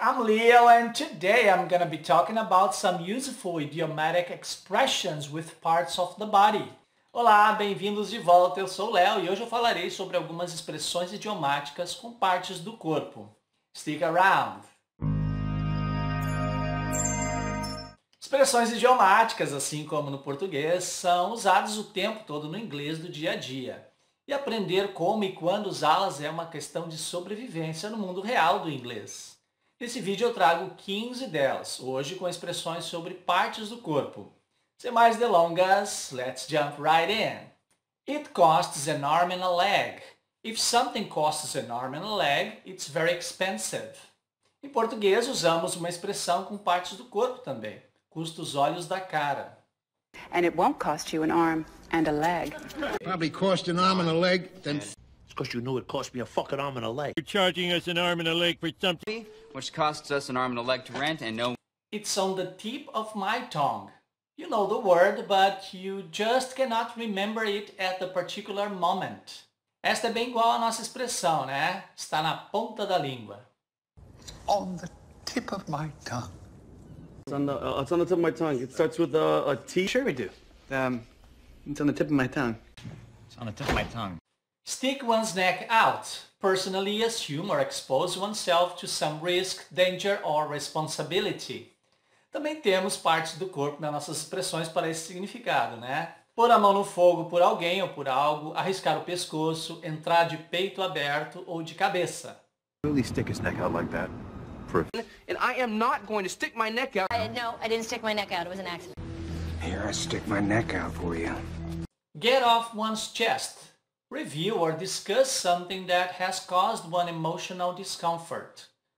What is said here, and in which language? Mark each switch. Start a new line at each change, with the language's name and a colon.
English: I'm Leo and today I'm going to be talking about some useful idiomatic expressions with parts of the body.
Portuguese: Olá, bem-vindos de volta. Eu sou o Leo e hoje eu falarei sobre algumas expressões idiomáticas com partes do corpo.
English: Stick around.
Portuguese: Expressões idiomáticas, assim como no português, são usadas o tempo todo no inglês do dia a dia. E aprender como e quando usá-las é uma questão de sobrevivência no mundo real do inglês. Nesse vídeo eu trago 15 delas, hoje com expressões sobre partes do corpo. Sem mais delongas,
English: let's jump right in. It costs an arm and a leg. If something costs an arm and a leg, it's very expensive.
Portuguese: Em português usamos uma expressão com partes do corpo também. Custa os olhos da cara.
English: And it won't cost you an arm and a leg. Probably cost an arm and a leg. Then it's because you knew it cost me a fucking arm and a leg. You're charging us an arm and a leg for something which costs us an arm and a leg to rent and no. It's on the tip of my tongue. You know the word, but you just cannot remember it at the particular moment.
Portuguese: Esta é bem igual à nossa expressão, né? Está na ponta da língua.
English: It's on the tip of my tongue. It's on the tip of my tongue. It starts with a T. Sure we do. It's on the tip of my tongue. It's on the tip of my tongue. Stick one's neck out. Personally assume or expose oneself to some risk, danger or responsibility.
Portuguese: Também temos partes do corpo nas nossas expressões para esse significado, né? Pôr a mão no fogo por alguém ou por algo, arriscar o pescoço, entrar de peito aberto ou de cabeça.
English: Really stick his neck out like that. And I am not going to stick my neck out. I didn't stick my neck out. It was an accident. Here, I stick my neck out for you. Get off one's chest. Review or discuss something that has caused one emotional discomfort.